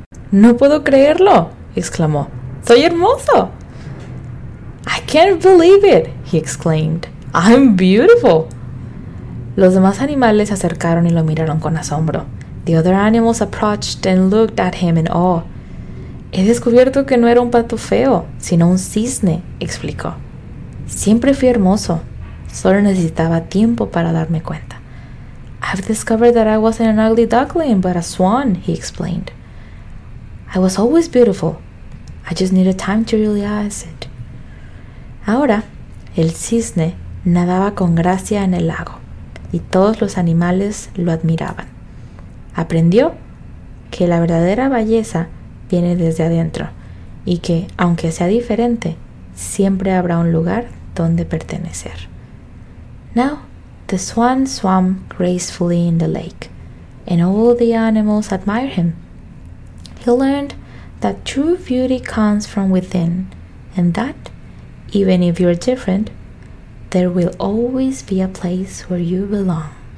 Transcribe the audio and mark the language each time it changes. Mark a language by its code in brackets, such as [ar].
[es] ¡No puedo creerlo!, exclamó. ¡Soy hermoso! [en] I can't believe it!, he exclaimed. ¡I'm beautiful! [es] Los demás animales se acercaron y lo miraron con asombro. [en] The other animals approached and looked at him in awe. [es] He descubierto que no era un pato feo, sino un cisne, explicó. Siempre fui hermoso. Solo necesitaba tiempo para darme cuenta. [en] I've discovered that I wasn't an ugly duckling, but a swan, he explained. I was always beautiful. I just needed time to realize it. [es] Ahora, el cisne nadaba con gracia en el lago. Y todos los animales lo admiraban. Aprendió que la verdadera belleza viene desde adentro y que, aunque sea diferente, siempre habrá un lugar donde pertenecer. [en] Now, the swan swam gracefully in the lake, and all the animals admired him. He learned that true beauty comes from within, and that, even if you're different, there will always be a place where you belong.